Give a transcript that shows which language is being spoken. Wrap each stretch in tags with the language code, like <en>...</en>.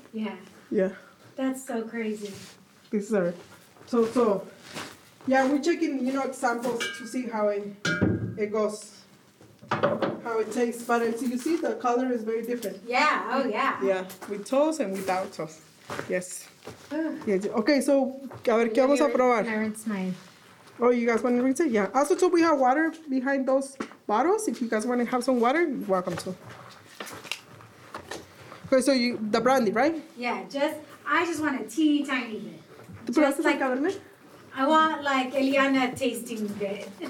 <en>Yeah. Yeah. That's so crazy. This is our so yeah, we're checking, you know, examples to see how it goes. How it tastes, but as you see, the color is very different. Yeah, oh yeah. Yeah, with toast and without toast. Yes. Yes.</en> <es>Okay, so, a ver, ¿qué vamos a probar?</es> <en>Oh, you guys want to rinse it? Yeah. Also, too, we have water behind those bottles. If you guys want to have some water, you're welcome to. Okay, so the brandy, right? Yeah, I just want a teeny tiny bit.</en> <es>¿Tú probaste la cabernet?</es> <en>I want, like, Eliana tasting bit.</en>